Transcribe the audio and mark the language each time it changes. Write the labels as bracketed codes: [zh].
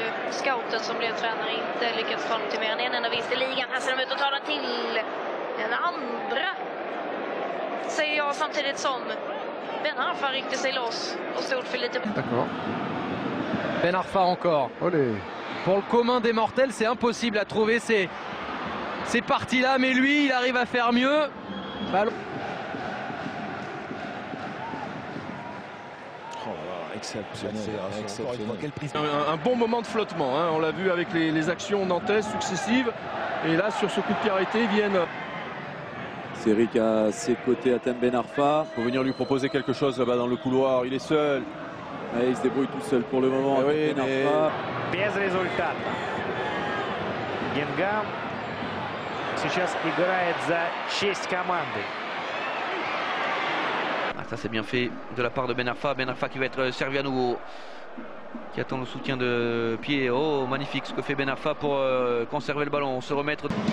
[sv] Scouten som blev tränare inte lyckats få till mer än en enda vinst i ligan. Här ser de ut och tar den till den andra. Säger jag samtidigt som Ben Arfa ryckte sig loss och stod för lite. [fr] D'accord. Ben Arfa encore. Olé. Pour le commun des mortels, c'est impossible à trouver ces parties-là, mais lui, il arrive à faire mieux. Ballon. Oh là là, exceptionnel. Un bon moment de flottement, hein. On l'a vu avec les actions nantaises successives. Et là, sur ce coup de pied arrêté, viennent. C'est Eric à ses côtés, Atem Ben Arfa. Il faut venir lui proposer quelque chose là-bas dans le couloir. Il est seul. Ouais, il se débrouille tout seul pour le moment. Oui, Ben Arfa. [ru] Без результат. Генга сейчас играет за честь команды. [fr] Ah, ça c'est bien fait de la part de Ben Arfa. Ben Arfa qui va être servi à nouveau. Qui attend le soutien de pied. Oh, magnifique ce que fait Ben Arfa pour conserver le ballon. Se remettre.